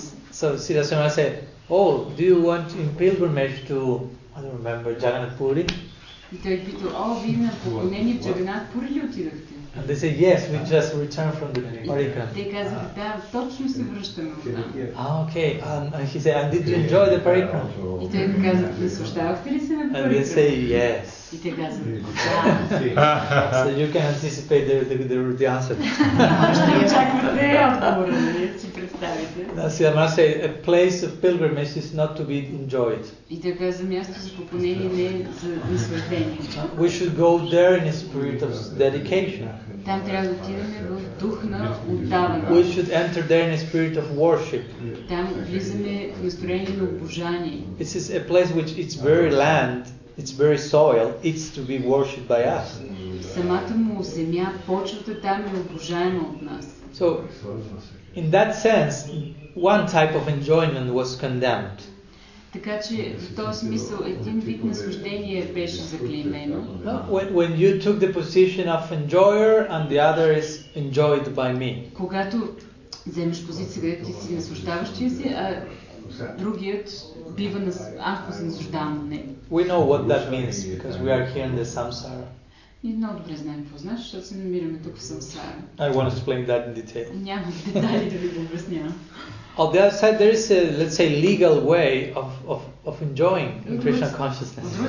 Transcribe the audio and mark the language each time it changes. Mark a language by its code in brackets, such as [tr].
[en] So Srila Sridhara Maharaj said, oh, do you want in pilgrimage to, I don't remember, Jagannath Puri? [bg] И той пита, о, вие на поклонение в Джаганат Пури ли отидахте? [en] And they say, yes, we just returned from the parikram. [bg] Те казаха, да, точно се връщаме от там. [en] Ah, okay. And he said, and did you enjoy the parikram? [bg] И те казаха, наслаждавахте ли се на [en] parikram? And they say, yes. [bg] И те казаха, да. [en] So you can anticipate the answer. [bg] Още очаквате отговора, нали? Си представите. [en] Now, Sridhara Maharaj said, a place of pilgrimage is not to be enjoyed. [bg] И те казаха, място за поклонение не е за наслаждение. [en] We should go there in a spirit of dedication. [bg] Там трябва да отидем в дух на отдаване. [en] We should enter there in a spirit of worship. [bg] Там влизаме в настроение на обожание. [en] This is a place which its very land, its very soil, it's to be worshipped by us. [bg] Самата му земя, почвата там е обожаема от нас. [en] So, in that sense, one type of enjoyment was condemned. [bg] Така че в този смисъл един вид наслаждение беше заклеймено. [en] When you took the position of enjoyer and the other is enjoyed by me. [bg] Когато вземеш позиция, ти си наслаждаващия си, а другият бива на ако се наслаждавам на него. [en] We know what that means because we are here in the samsara. [bg] Ние много добре знаем какво значи, защото се намираме тук в самсара. [en] I want to explain that in detail. [bg] Няма детали да ви го обяснявам. [en] On the other side, there is a, let's say, legal way of enjoying Krishna consciousness.